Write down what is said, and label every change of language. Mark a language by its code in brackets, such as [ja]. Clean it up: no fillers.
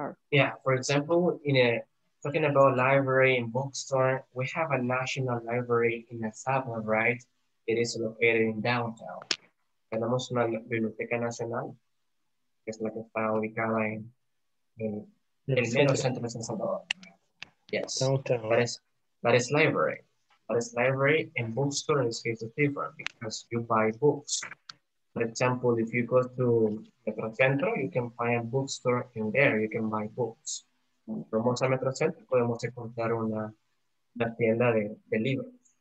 [en] Yeah, for example, talking about library and bookstore, we have a national library in the suburb, right? It is located in downtown. [es] Tenemos una biblioteca nacional, que es la que está ubicada en el centro de San Salvador. [en] Yes. That is library. That is library and bookstore in this case is different because you buy books. For example, if you go to Metro Centro, you can find a bookstore in there, you can buy books. [es] Vamos a Metro Centro, podemos encontrar una tienda de libros.